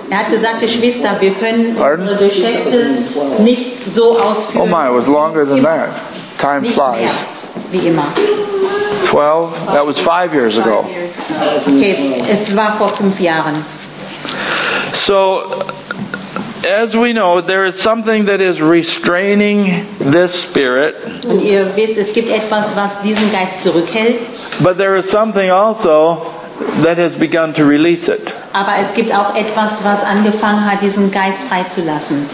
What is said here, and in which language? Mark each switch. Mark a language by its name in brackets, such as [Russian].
[German] Er hat gesagt, Geschwister, wir können unsere Geschäfte nicht so ausführen. [English] Oh my, it was longer than that. Time flies. [German] Wie immer. [English] 12? That was 5 years ago. [German] Okay, es war vor 5 Jahren. [English] So, as we know, there is something that is restraining this spirit. [German] Und ihr wisst, es gibt etwas, was diesen Geist zurückhält. [English] But there is something also that has begun to release it. [German] Aber es gibt auch etwas, was angefangen hat, diesen Geist freizulassen.